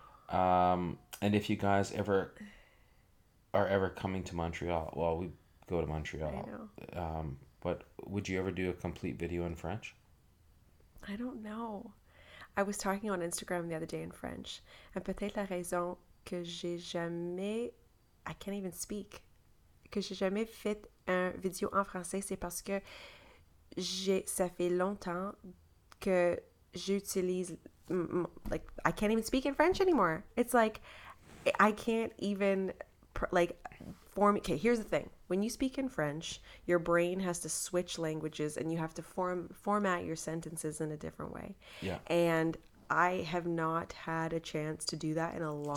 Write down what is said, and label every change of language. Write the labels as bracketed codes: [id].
[en] And if you guys are ever coming to Montreal. Well, we go to Montreal. I know. But would you ever do a complete video in French? I don't know. I was talking on Instagram the other day in French. [fr] And peut-être la raison que j'ai jamais... [en] I can't even speak. [fr] Que j'ai jamais fait un vidéo en français, c'est parce que ça fait longtemps que j'utilise, [en] like, I can't even speak in French anymore. It's like, I can't even, like, form, okay, here's the thing. When you speak in French, your brain has to switch languages and you have to format your sentences in a different way. Yeah. And I have not had a chance to do that in a long